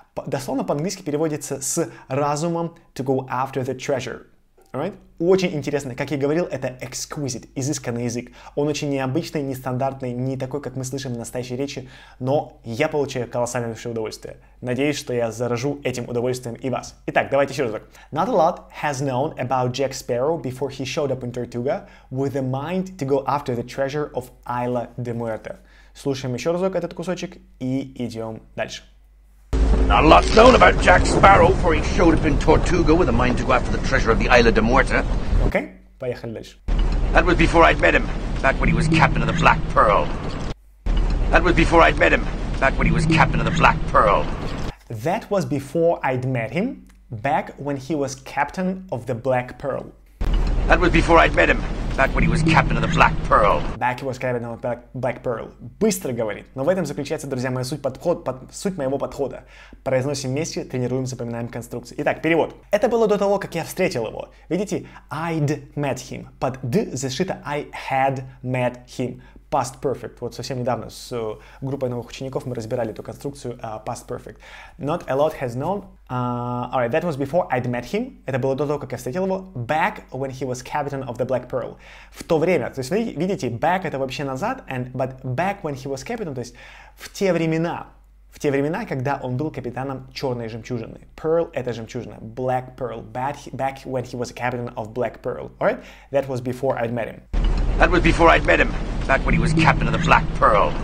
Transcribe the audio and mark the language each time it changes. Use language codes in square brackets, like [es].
[ru] Дословно по-английски переводится с разумом [en] to go after the treasure. Alright? [ru] Очень интересно. Как я говорил, это exquisite, изысканный язык. Он очень необычный, нестандартный, не такой, как мы слышим в настоящей речи, но я получаю колоссальное удовольствие. Надеюсь, что я заражу этим удовольствием и вас. Итак, давайте еще разок. [en] Not a lot has known about Jack Sparrow before he showed up in Tortuga with a mind to go after the treasure of Isla de Muerte. [ru] Слушаем еще разок этот кусочек и идем дальше. [en] Not a lot known about Jack Sparrow, for he showed up in Tortuga with a mind to go after the treasure of the Isla de Morta. Okay, [ru] поехали дальше. [en] That was before I'd met him, back when he was captain of the Black Pearl. That was before I'd met him, back when he was captain of the Black Pearl. That was before I'd met him, back when he was captain of the Black Pearl. That was before I'd met him, back when he was captain of the Black Pearl. Back he was captain of the Black Pearl. [ru] Быстро говорит. Но в этом заключается, друзья, моя суть, суть моего подхода. Произносим вместе, тренируем, запоминаем конструкции. Итак, перевод. Это было до того, как я встретил его. Видите, [en] I'd met him. [ru] Под d зашито [en] I had met him. [ru] Past perfect. Вот совсем недавно с группой новых учеников мы разбирали эту конструкцию past perfect. [en] Not a lot has known. Alright, that was before I'd met him. [ru] Это было до того, как я встретил его. [en] Back when he was captain of the Black Pearl. [ru] В то время. То есть, видите, back это вообще назад. [en] But back when he was captain, [ru] то есть в те времена. В те времена, когда он был капитаном черной жемчужины. [en] Pearl [ru] это жемчужина. [en] Black Pearl. Back when he was a captain of Black Pearl. Alright, that was before I'd met him. That was before I'd met him, back when he was captain of the Black Pearl.